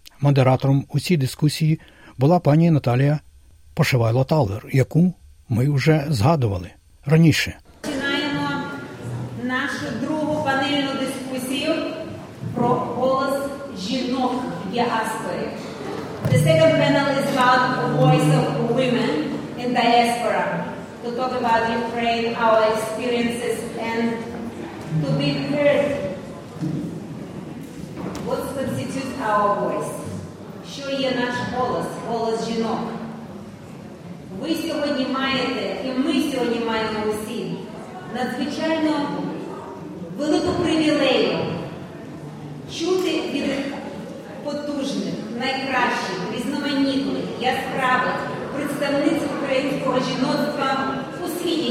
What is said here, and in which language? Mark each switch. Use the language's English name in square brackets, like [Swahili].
[Ukrainian] Модератором у цій дискусії була пані Наталія Пошивайло-Талер, яку ми вже згадували раніше. Починаємо нашу другу панельну дискусію про голос жінок в діаспорі. [English] The second panel is about the voice of women in diaspora. To talk about Ukraine, our experiences and to be heard. What constitutes our voice? [Ukrainian] Що є наш голос, голос жінок? Ви сьогодні маєте, і ми сьогодні маємо усі, надзвичайно велику привілею чути від потужних, найкращих, різноманітних, яскравих представниць українського жіноцтва у світі.